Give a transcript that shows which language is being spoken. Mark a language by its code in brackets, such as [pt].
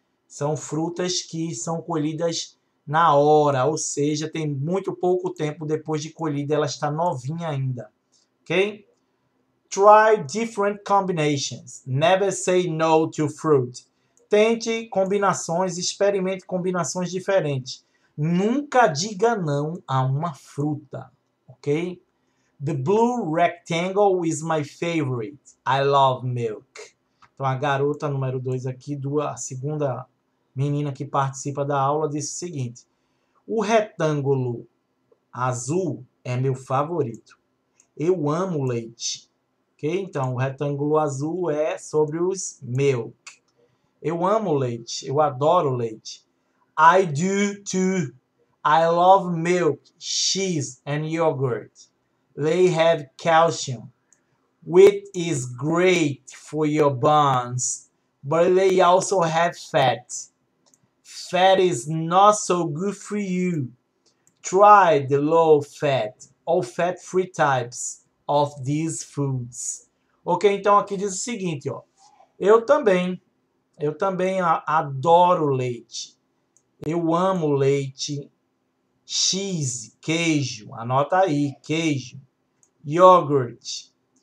[pt] São frutas que são colhidas na hora, ou seja, tem muito pouco tempo depois de colhida, ela está novinha ainda. Ok? [en] Try different combinations. Never say no to fruit. [pt] Tente combinações, experimente combinações diferentes. Nunca diga não a uma fruta, ok? [en] The blue rectangle is my favorite. I love milk. [pt] Então, a garota número 2 aqui, a segunda menina que participa da aula, disse o seguinte: o retângulo azul é meu favorito. Eu amo leite. Okay? Então, o retângulo azul é sobre os milk. Eu amo leite. Eu adoro leite. [en] I do too. I love milk, cheese and yogurt. They have calcium. Wheat is great for your bones, but they also have fat. Fat is not so good for you. Try the low fat or fat-free types of these foods. [pt] Ok, então aqui diz o seguinte, ó. Eu também adoro leite. Eu amo leite, cheese, queijo. Anota aí, queijo. Iogurte.